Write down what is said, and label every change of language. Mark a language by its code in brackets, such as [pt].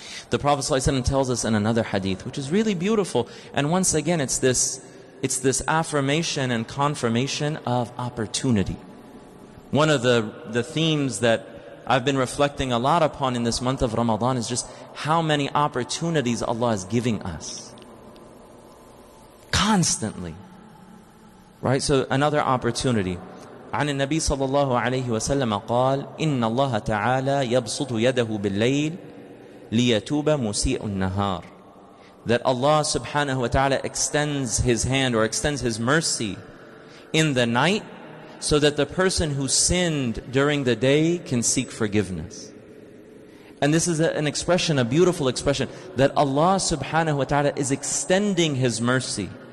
[en] The Prophet sallallahu alaihi wasallam tells us in another hadith, which is really beautiful. And once again, it's this affirmation and confirmation of opportunity. One of the themes that I've been reflecting a lot upon in this month of Ramadan is just how many opportunities Allah is giving us. Constantly. Right? So another opportunity. [ar] عن النبي صلى الله عليه وسلم قال إن الله تعالى يبسط يده بالليل لِيَتُوبَ مُسِيءُ النَّهَارِ. [en] That Allah subhanahu wa ta'ala extends His hand or extends His mercy in the night so that the person who sinned during the day can seek forgiveness. And this is an expression, a beautiful expression, that Allah subhanahu wa ta'ala is extending His mercy.